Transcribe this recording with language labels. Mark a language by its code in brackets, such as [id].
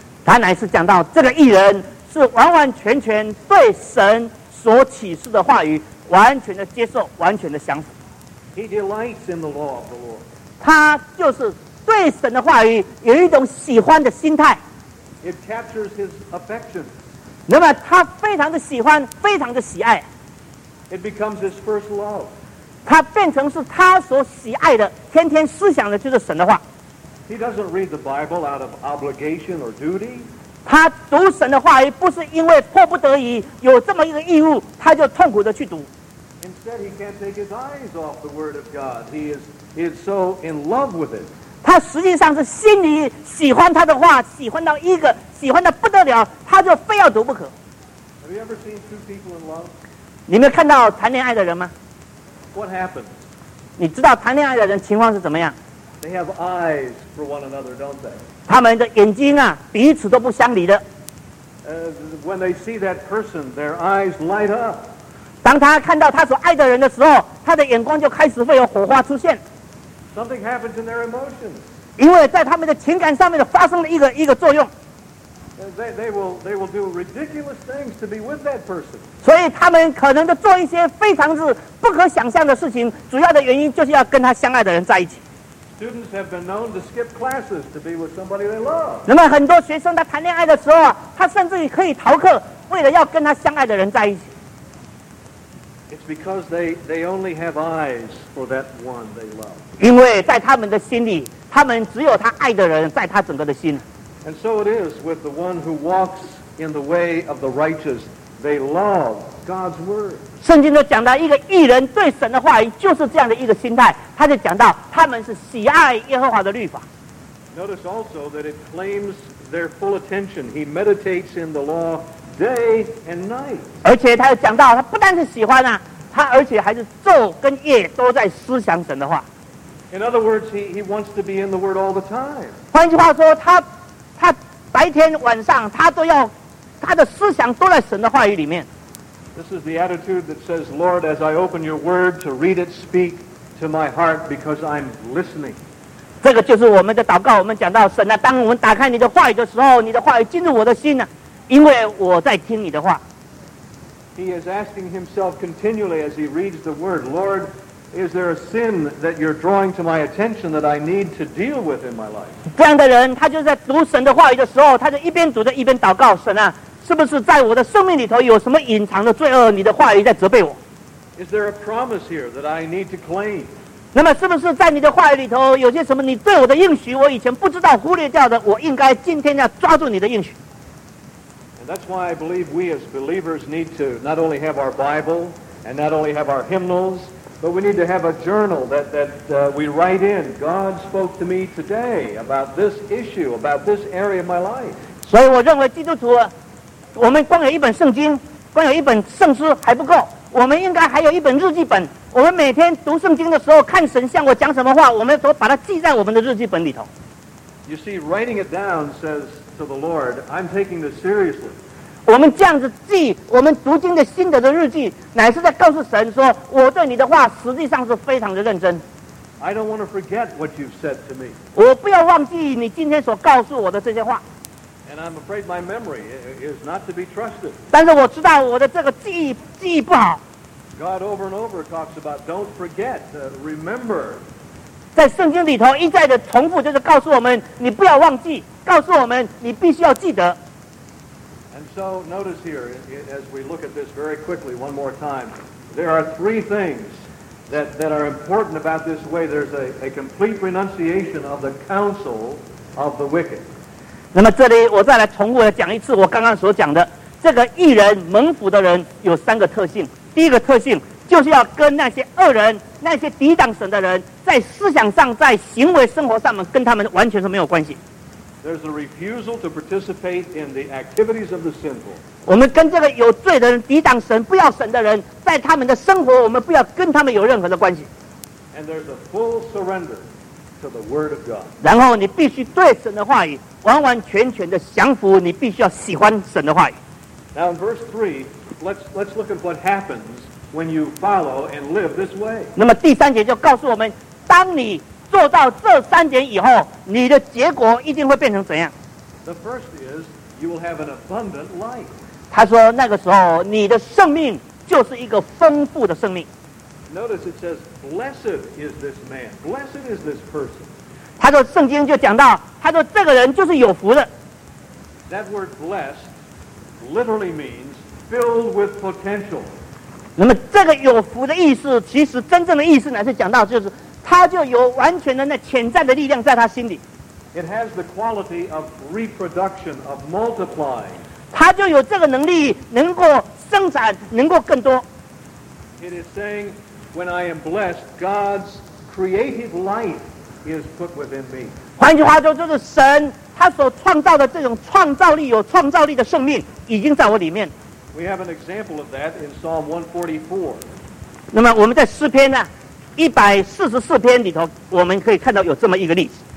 [zh] 他乃是讲到这个义人是完完全全对神所启示的话语完全的接受，完全的降服。 [en] He delights in the law of the Lord. [zh] 他就是对神的话语有一种喜欢的心态。 [en] It captures his affections. [zh] 那么他非常的喜欢，非常的喜爱。 [en] It becomes his first love. [zh] 他变成是他所喜爱的，天天思想的就是神的话。 [en] He doesn't read the Bible out of obligation or duty. [zh] 他读神的话语不是因为迫不得已有这么一个义务他就痛苦的去读。 [en] Instead he can't take his eyes off the word of God. He is so in love with it. [zh] 他实际上是心里喜欢他的话，喜欢到不得了，他就非要读不可。 [en] Have you ever seen two people in love? [zh] 你们看到谈恋爱的人吗？ [en] What happens? [zh] 你知道谈恋爱的人情况是怎么样？ [en] They have eyes for one another, don't they? [zh] 他们的眼睛啊彼此都不相离的。 [en] When they see that person, their eyes light up. [zh] 当他看到他所爱的人的时候，他的眼光就开始会有火花出现。 [en] Something happens in their emotions. [zh] 因为在他们的情感上面发生了一个作用。 [en] They will do ridiculous things to be with that person. [zh] 所以他们可能做一些非常是不可想象的事情，主要的原因就是要跟他相爱的人在一起。 [en] Students have been known to skip classes to be with somebody they love. [zh] 那么很多学生在谈恋爱的时候，他甚至可以逃课，为了要跟他相爱的人在一起。 [en] It's because they only have eyes for that one they love. [zh] 因为在他们的心里，他们只有他爱的人在他整个的心。 [en] And so it is with the one who walks in the way of the righteous. They love God's word. [zh] 圣经就讲到一个义人对神的话语就是这样的一个心态，他就讲到他们是喜爱耶和华的律法。 [en] Notice also that it claims their full attention. He meditates in the law day and night. [zh] 而且他又讲到他不但是喜欢啊，他而且还是昼跟夜都在思想神的话。 [en] In other words, he wants to be in the word all the time. [zh] 换句话说，他白天晚上他都要，他的思想都在神的话语里面。 [en] This is the attitude that says, Lord, as I open your word to read it, speak to my heart because I'm listening. [zh] 这个就是我们的祷告，我们讲到神啊，当我们打开你的话语的时候，你的话语进入我的心啊，因为我在听你的话。 [en] He is asking himself continually as he reads the word, Lord, is there a sin that you're drawing to my attention that I need to deal with in my life? [zh] 这样的人，他就在读神的话语的时候，他就一边读着一边祷告，神啊，是不是在我的生命里头有什么隐藏的罪恶？你的话语在责备我。 [en] Is there a promise here that I need to claim? [zh] 那么，是不是在你的话语里头有些什么你对我的应许，我以前不知道、忽略掉的？我应该今天要抓住你的应许。 [en] And that's why I believe we as believers need to not only have our Bible and not only have our hymnals, but we need to have a journal that we write in. God spoke to me today about this issue, about this area of my life. [zh] 所以，我认为基督徒。我们光有一本圣经，光有一本圣书还不够，我们应该还有一本日记本。我们每天读圣经的时候，看神向我讲什么话，我们都把它记在我们的日记本里头。 [en] You see, writing it down says to the Lord, I'm taking this seriously. [zh] 我们这样子记我们读经的心得的日记，乃是在告诉神说，我对你的话实际上是非常的认真。 [en] I don't want to forget what you've said to me. [zh] 我不要忘记你今天所告诉我的这些话。 [en] And I'm afraid my memory is not to be trusted. [zh] 但是我知道我的这个记忆不好。 [en] God over and over talks about don't forget, remember. [zh] 在圣经里头一再的重复，就是告诉我们你不要忘记，告诉我们你必须要记得。 [en] And so notice here, as we look at this very quickly one more time, there are three things that are important about this way. There's a complete renunciation of the counsel of the wicked. [zh] 那么这里我再来重复的讲一次我刚刚所讲的，这个义人蒙福的人有三个特性。第一个特性就是要跟那些恶人、那些抵挡神的人，在思想上、在行为生活上面跟他们完全是没有关系。 [en] There's a refusal to participate in the activities of the sinful. [zh] 我们跟这个有罪的人、抵挡神、不要神的人，在他们的生活，我们不要跟他们有任何的关系。 [en] And there's a full surrender. To the word of God. [zh] 然后你必须对神的话语完完全全的降服，你必须要喜欢神的话语。 [en] Now in verse 3, let's look at what happens when you follow and live this way. [zh] 那么第三节就告诉我们，当你做到这三点以后，你的结果一定会变成怎样？ [en] The first is you will have an abundant life. [zh] 他说那个时候你的生命就是一个丰富的生命。 [en] Notice it says, blessed is this man, blessed is this person. [zh] 他说圣经就讲到，他说这个人就是有福的。 [en] That word blessed literally means filled with potential. [zh] 那么这个有福的意思，其实真正的意思呢，是讲到就是他就有完全的那潜在的力量在他心里。 [en] It has the quality of reproduction, of multiplying. [zh] 他就有这个能力，能够生产，能够更多。 [en] It is saying,When I am blessed, God's creative life is put within me. [zh] 换句话说，就是神他所创造的这种创造力，有创造力的生命已经在我里面。 [en] We have an example of that in Psalm 144. [zh] 那么我们在诗篇呢，144篇里头，我们可以看到有这么一个例子。